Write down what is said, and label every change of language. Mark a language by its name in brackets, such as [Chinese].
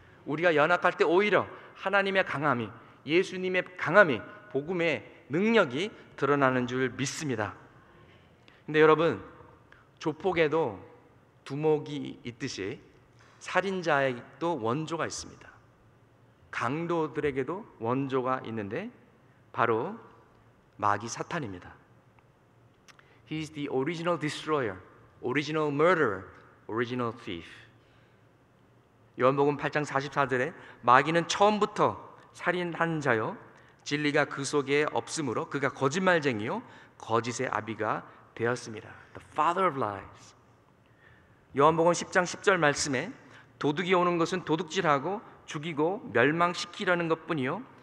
[Korean] 우리가 연약할 때 오히려 하나님의 강함이, 예수님의 강함이, 복음의 능력이 드러나는 줄 믿습니다. 근데 여러분, 조폭에도 두목이 있듯이 살인자에게도 원조가 있습니다. 강도들에게도 원조가 있는데 바로 마귀 사탄입니다. [English] He is the original destroyer, original murderer, original thief. [Korean] 요한복음 8장 44절에 마귀는 처음부터 살인한 자요 진리가 그 속에 없으므로 그가 거짓말쟁이요 거짓의 아비가 되었습니다. [English] The father of lies. [Korean] 요한복음 10장 10절 말씀에 도둑이 오는 것은 도둑질하고 죽이고 멸망시키려는 것뿐이요